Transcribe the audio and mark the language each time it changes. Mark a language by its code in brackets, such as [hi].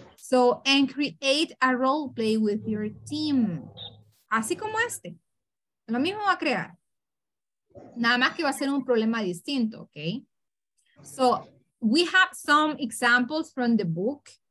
[en] So, and create a role play with your team. [es] Así como este. Lo mismo va a crear. Nada más que va a ser un problema distinto, okay? [en] So, we have some examples from the book.